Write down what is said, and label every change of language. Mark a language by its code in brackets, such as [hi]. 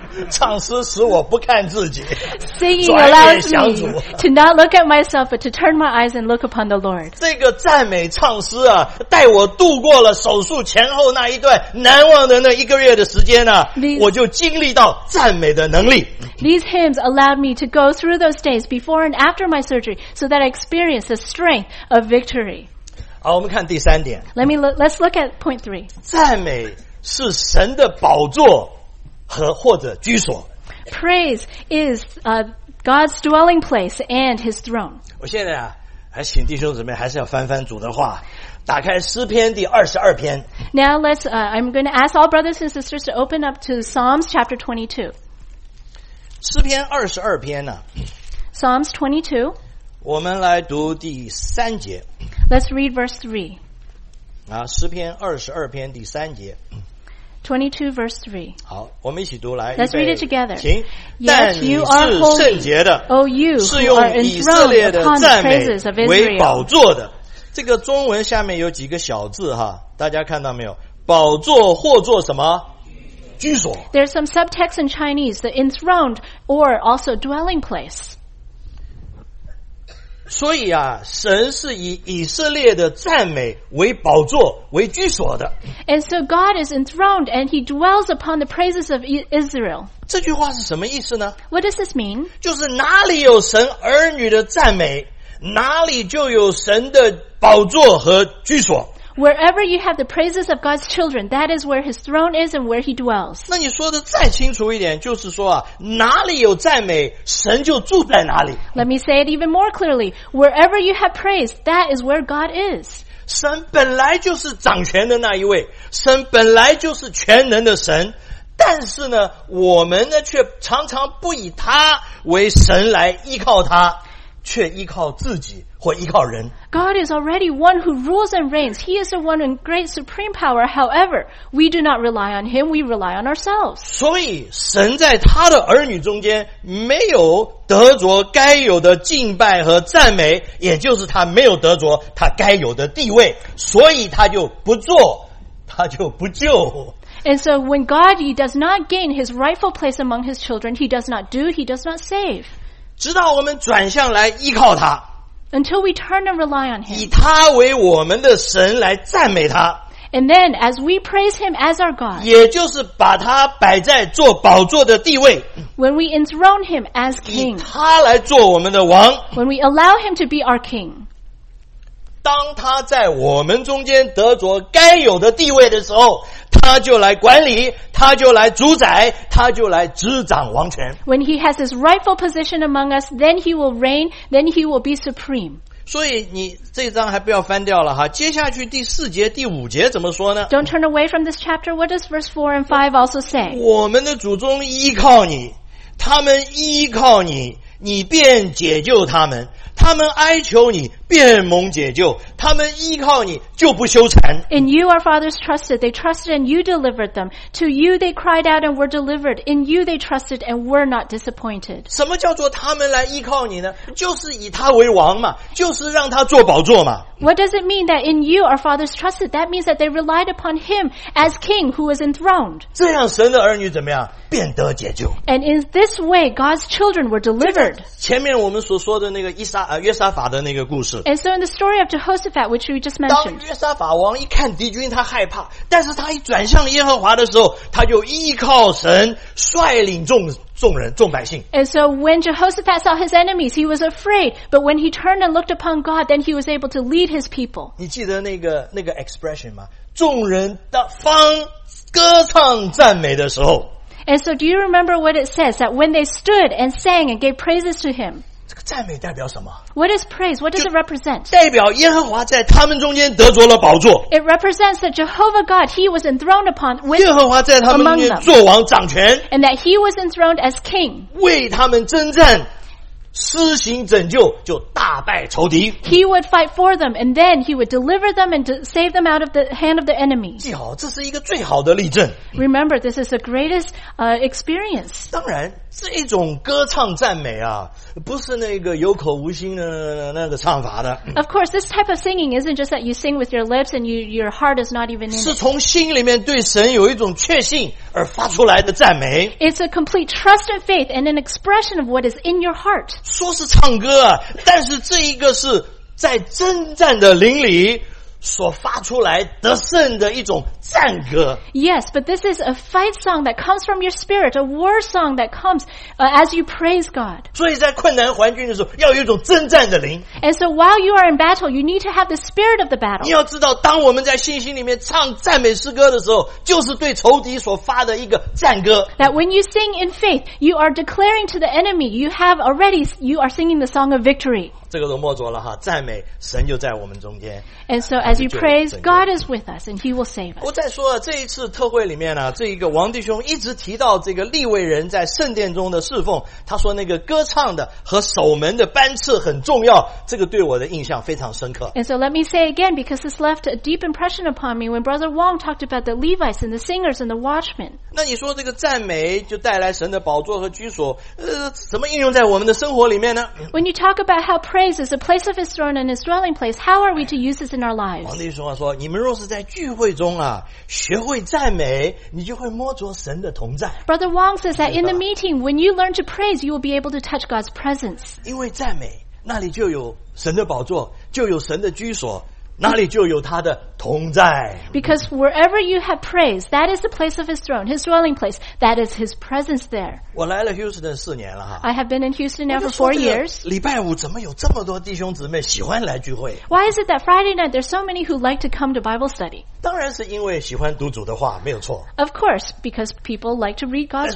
[zh] 唱诗使我不看自己。 [en] Singing allows me to not look at myself, but to turn my eyes and look upon the Lord. [zh] 这个赞美唱诗啊，带我度过了手术前后那一段难忘的那一个月的时间啊，我就经历到赞美的能力。 [en] These hymns allowed me to go through those days before and after my surgery, so that I experienced the strength of victory. [zh] 好，我们看第三点。 [en] Let's look at point three. [zh] 赞美是神的宝座。和或者居所。 [en] Praise is God's dwelling place and His throne. [zh] 我现在啊，还请弟兄姊妹还是要翻翻主的话，打开诗篇第二十二篇。 [en] Now let's, I'm going to ask all brothers and sisters to open up to Psalms chapter 22. [zh] 诗篇二十二篇呢、啊、 [en] ？Psalms 22. [zh] 我们来读第三节。 [en] Let's read verse 3. [zh] 啊，诗篇二十二篇第三节。 [en] 22 verse 3. [zh] 好，我们一起读来。 Let's read it together. 请。但你是圣洁的，是用以色列的赞美为宝座的。这个中文下面有几个小字哈，大家看到没有？宝座或做什么？居所。 [en] There's some subtext in Chinese, the enthroned or also dwelling place. [zh] 所以啊，神是以以色列的赞美为宝座为居所的。 [en] And so God is enthroned and He dwells upon the praises of Israel. [zh] 这句话是什么意思呢？ [en] What does this mean? [zh] 就是哪里有神儿女的赞美，哪里就有神的宝座和居所。 [en] Wherever you have the praises of God's children, that is where His throne is and where He dwells. [zh] 那你说的再清楚一点，就是说啊，哪里有赞美，神就住在哪里。 [en] Let me say it even more clearly. Wherever you have praise, that is where God is. [zh] 神本来就是掌权的那一位，神本来就是全能的神。但是呢，我们呢，却常常不以他为神来依靠他，却依靠自己。或依靠人。 [en] God is already one who rules and reigns. He is the one in great supreme power. However, we do not rely on Him. We rely on ourselves. [zh] 所以神在他的儿女中间没有得着该有的敬拜和赞美，也就是他没有得着他该有的地位，所以他就不做，他就不救。 [en] And so when God, He does not gain His rightful place among His children, He does not do, He does not save. [zh] 直到我们转向来依靠他。 [en] Until we turn and rely on Him. [zh] 以他为我们的神来赞美他。 [en] And then, as we praise Him as our God. [zh] 也就是把他摆在做宝座的地位。 [en] When we enthrone Him as King. [zh] 以他来做我们的王。 [en] When we allow Him to be our King. [zh] 当他在我们中间得着该有的地位的时候，他就来管理，他就来主宰，他就来执掌王权。 [en] When he has his rightful position among us, then he will reign, then he will be supreme. [zh] 所以你这章还不要翻掉了哈，接下去第四节、第五节怎么说呢？ [en] Don't turn away from this chapter. What does verse 4 and 5 also say? [zh] 我们的祖宗依靠你，他们依靠你，你便解救他们，他们哀求你便蒙解救，他们依靠你就不羞惭。 [en] In you our fathers trusted, they trusted and you delivered them. To you they cried out and were delivered. In you they trusted and were not disappointed. [zh] 什么叫做他们来依靠你呢？就是以他为王嘛，就是让他做宝座嘛。 [en] What does it mean that in you our fathers trusted? That means that they relied upon him as king who was enthroned. [zh] 这样神的儿女怎么样？便得解救。 [en] And in this way, God's children were delivered. [zh] 前面我们所说的那个约沙法的那个故事。 [en] And so in the story of Jehoshaphat, which we just mentioned, [zh] 当约沙法王一看敌军，他害怕，但是他一转向耶和华的时候，他就依靠神率领众百姓。 [en] And so when Jehoshaphat saw his enemies, he was afraid. But when he turned and looked upon God, then he was able to lead his people. [zh] 你记得那个 expression 吗？众人当歌唱赞美的时候。 [en] And so do you remember what it says that when they stood and sang and gave praises to him? [zh] 这个赞美代表什么？ [en] What is praise? What does it represent? [zh] 代表耶和华在他们中间得着了宝座。 [en] It represents that Jehovah God, he was enthroned upon [zh] with, 耶和华在他们中间做王掌权。 [en] And that he was enthroned as king. [zh] 为他们征战，施行拯救，就大败仇敌。 [en] He would fight for them, and then he would deliver them and save them out of the hand of the enemy. [zh] 记好，这是一个最好的例证。 [en] Remember, this is the greatest experience. [zh] 当然这一种歌唱赞美啊，不是那个有口无心的那个唱法的。 [en] Of course, this type of singing isn't just that you sing with your lips and your heart is not even in it. [zh] 是从心里面对神有一种确信而发出来的赞美。 [en] It's a complete trust and faith and an expression of what is in your heart. [zh] 说是唱歌啊，但是这一个是在征战的灵里所发出来得胜的一种赞歌。 [en] Yes, but this is a fight song that comes from your spirit, a war song that comes, as you praise God. [zh] 所以在困难环境的时候，要有一种征战的灵。 [en] And so while you are in battle, you need to have the spirit of the battle. [zh] 你要知道，当我们在信心里面唱赞美诗歌的时候，就是对仇敌所发的一个赞歌。 [en] That when you sing in faith, you are declaring to the enemy, you are singing the song of victory. [zh] 这个都默着了哈，赞美神就在我们中间。 [en] And so as you praise, God is with us and He will save us. [zh] 我再说了，这一次特会里面呢，这一个王弟兄一直提到这个利未人在圣殿中的侍奉，他说那个歌唱的和守门的班次很重要，这个对我的印象非常深刻。 [en] And so let me say again, because this left a deep impression upon me when Brother Wong talked about the Levites and the singers and the watchmen. [zh] 那你说这个赞美就带来神的宝座和居所，怎么应用在我们的生活里面呢？ [en] When you talk about how praise is the place of his throne and his dwelling place, how are we to use this in our lives? [zh] 王弟兄说，你们若是在聚会中啊，学会赞美，你就会摸着神的同在。 [en] Brother Wong says that in the meeting, when you learn to praise, you will be able to touch God's presence. [zh] 因为赞美，那里就有神的宝座，就有神的居所，那里就有他的同在。 [en] Because wherever you have praise, that is the place of his throne, his dwelling place, that is his presence there. [zh] 我来了 Houston 四年了哈。 [en] I have been in Houston now for 4 years. [zh] 礼拜五怎么有这么多弟兄姊妹喜欢来聚会？ [en] Why is it that Friday night there's so many who like to come to Bible study? [zh] 当然是因为喜欢读主的话，没有错。 [en] Of course, because people like to read God's word.